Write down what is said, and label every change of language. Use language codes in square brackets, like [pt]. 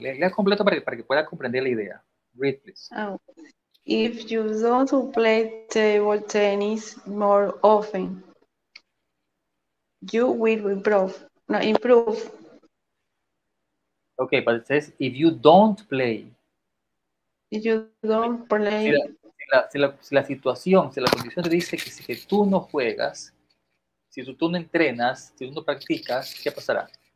[es] Lea completo para que pueda comprender la idea. [en] Read, please. Oh. If you don't play table tennis more often, you will improve. No, improve. Okay, but it says, if you don't play. If you don't play. [es] Si la condición te dice que tú no juegas, si tú no entrenas, si tú no practicas, ¿qué pasará?